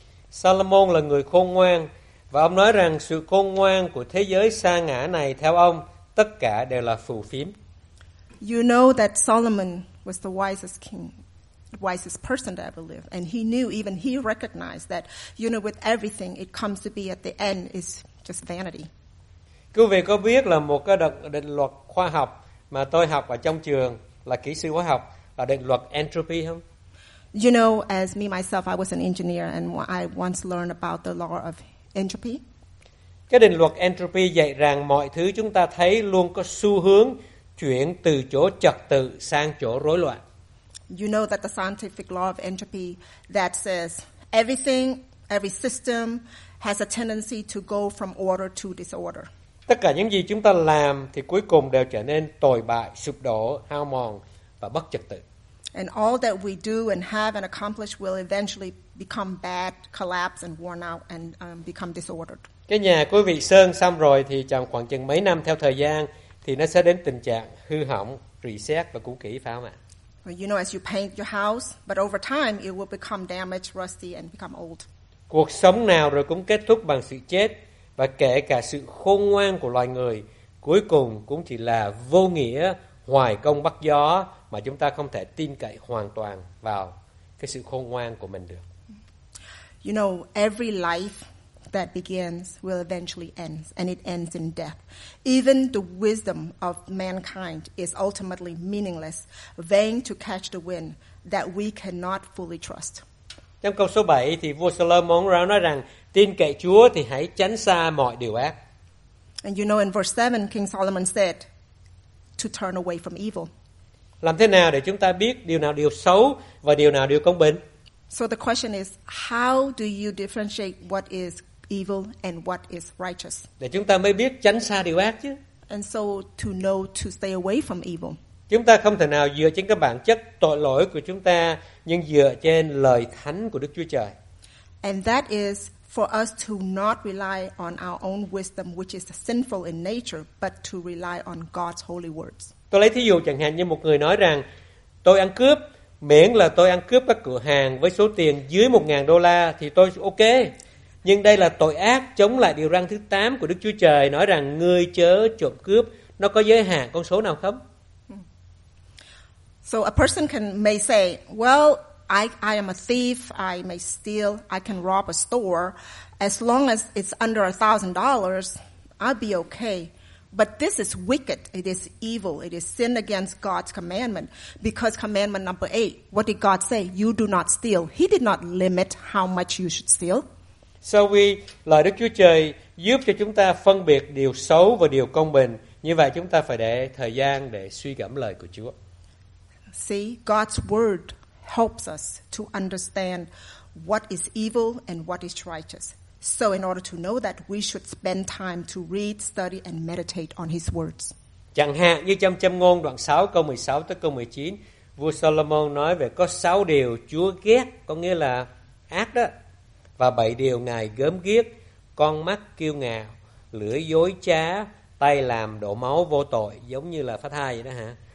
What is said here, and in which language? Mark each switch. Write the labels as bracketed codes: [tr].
[vi] Solomon là người khôn ngoan và ông nói rằng sự khôn ngoan của thế giới sa ngã này theo ông tất cả đều là phù phiếm. [en] You know that Solomon was the wisest king, the wisest person to ever live, and he knew, even he recognized that, you know, with everything it comes to be at the end is just vanity. [vi] Quý vị có biết là một cái định luật khoa học mà tôi học ở trong trường là kỹ sư hóa học là định luật entropy không? [en] You know, as me myself, I was an engineer and I once learned about the law of entropy. [vi] Cái định luật entropy dạy rằng mọi thứ chúng ta thấy luôn có xu hướng chuyển từ chỗ trật tự sang chỗ rối loạn. [en] You know that the scientific law of entropy that says everything, every system has a tendency to go from order to disorder. [vi] Tất cả những gì chúng ta làm thì cuối cùng đều trở nên tồi bại, sụp đổ, hao mòn và bất trật tự. [en] And all that we do and have and accomplish will eventually become bad, collapse and worn out and become disordered. [vi] Cái nhà quý vị sơn xong rồi thì trong khoảng chừng mấy năm theo thời gian thì nó sẽ đến tình trạng hư hỏng, reset và cũ kỹ, phải không ạ? [en] Well, you know, as you paint your house, but over time it will become damaged, rusty and become old. [vi] Cuộc sống nào rồi cũng kết thúc bằng sự chết và kể cả sự khôn ngoan của loài người cuối cùng cũng chỉ là vô nghĩa, hoài công bắt gió mà chúng ta không thể tin cậy hoàn toàn vào cái sự khôn ngoan của mình được. [en] You know, every life that begins will eventually end, and it ends in death. Even the wisdom of mankind is ultimately meaningless, vain to catch the wind that we cannot fully trust. [vi] Trong câu số 7 thì vua Solomon nói rằng tin cậy Chúa thì hãy tránh xa mọi điều ác. [en] And you know in verse 7 King Solomon said to turn away from evil. [vi] Làm thế nào để chúng ta biết điều nào điều xấu và điều nào điều công bình? [en] So the question is how do you differentiate what is evil and what is righteous? [vi] Để chúng ta mới biết tránh xa điều ác chứ. [en] And so to know to stay away from evil. [vi] Chúng ta không thể nào dựa trên cái bản chất tội lỗi của chúng ta nhưng dựa trên lời thánh của Đức Chúa Trời. [en] And that is for us to not rely on our own wisdom which is sinful in nature but to rely on God's holy words. [vi] Tôi lấy thí dụ chẳng hạn như một người nói rằng tôi ăn cướp, miễn là tôi ăn cướp các cửa hàng với số tiền dưới $1,000 thì tôi ok. Nhưng đây là tội ác chống lại điều răn thứ 8 của Đức Chúa Trời nói rằng ngươi chớ trộm cướp, nó có giới hạn con số nào không? [en] So a person may say, well, I am a thief, I may steal, I can rob a store. As long as it's under $1,000, I'll be okay. But this is wicked, it is evil, it is sin against God's commandment. Because commandment number 8, what did God say? You do not steal. He did not limit how much you should steal. So we, [vi] lời Đức Chúa Trời giúp cho chúng ta phân biệt điều xấu và điều công bình. Như vậy chúng ta phải để thời gian để suy gẫm lời của Chúa. [en] See, God's word helps us to understand what is evil and what is righteous. So in order to know that, we should spend time to read, study, and meditate on his words. [vi] Chẳng hạn như trong Châm Ngôn đoạn 6 câu 16 tới câu 19, vua Solomon nói về có 6 điều Chúa ghét, có nghĩa là ác đó, và 7 điều Ngài gớm ghét, con mắt kiêu ngạo, lưỡi dối trá, tay làm đổ máu vô tội, giống như là phá thai vậy đó hả?